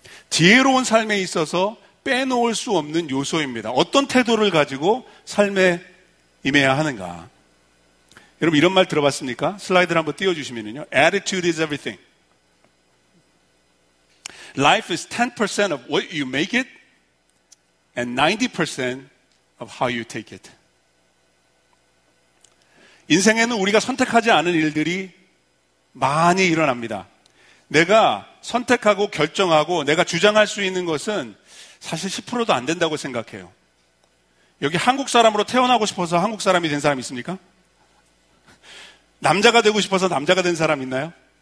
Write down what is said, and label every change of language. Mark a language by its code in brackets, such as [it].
[ko] 지혜로운 삶에 있어서 빼놓을 수 없는 요소입니다. 어떤 태도를 가지고 삶에 임해야 하는가. 여러분 이런 말 들어봤습니까? 슬라이드를 한번 띄워주시면요. [en] Attitude is everything. Life is 10% of what you make it and 90% of how you take it. [ko] 인생에는 우리가 선택하지 않은 일들이 많이 일어납니다. 내가 선택하고 결정하고 내가 주장할 수 있는 것은 사실 10%도 안 된다고 생각해요. 여기 한국 사람으로 태어나고 싶어서 한국 사람이 된 사람 있습니까? 남자가 되고 싶어서 남자가 된 사람 있나요?